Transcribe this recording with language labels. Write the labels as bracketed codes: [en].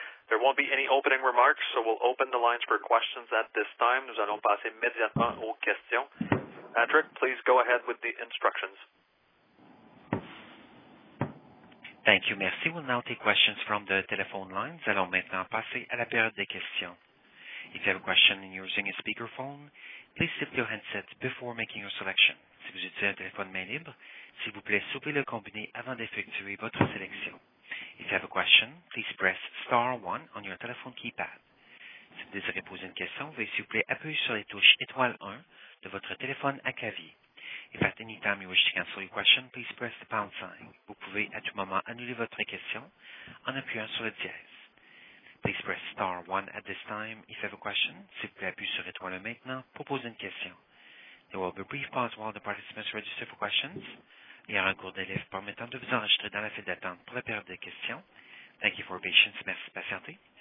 [en] There won't be any opening remarks, so we'll open the lines for questions at this time. [fr] Nous allons passer immédiatement aux questions. [en] Patrick, please go ahead with the instructions. Thank you. Merci. We'll now take questions from the telephone lines. [fr] Allons maintenant passer à la période des questions. [en] If you have a question and you're using a speakerphone, please lift your handset before making your selection. [fr] Si vous utilisez un téléphone main libre, s'il vous plaît, soulevez le combiné avant d'effectuer votre sélection. [en] If you have a question, please press star 1 on your telephone keypad. [fr] Si vous désirez poser une question, veuillez s'il vous plaît appuyer sur les touches étoile 1 de votre téléphone à clavier. [en] If at any time you wish to cancel your question, please press the pound sign. [fr] Vous pouvez à tout moment annuler votre question en appuyant sur le dièse. [en] Please press star 1 at this time if you have a question. [fr] S'il vous plaît, appuyez sur étoile maintenant pour poser une question. [en] There will be a brief pause while the participants register for questions. [fr] Il y aura un cours d'élèves permettant de vous enregistrer dans la file d'attente pour la période de questions. [en] Thank you for patience. [fr] Merci de patienter.